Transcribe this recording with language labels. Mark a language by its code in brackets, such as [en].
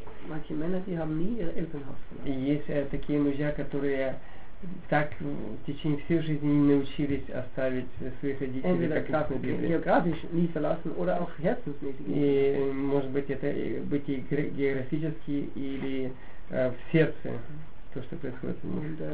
[de] Manche Männer, die haben nie ihr Elternhaus verlassen. [ru] Есть такие мужья, которые так в течение всей жизни не научились оставить своих родителей, [de] entweder [ru] как написано в Библии. [de] Географisch nie verlassen oder auch herzensmäßig. [ru] И может быть это быть и географически, или в сердце, то, что происходит у них.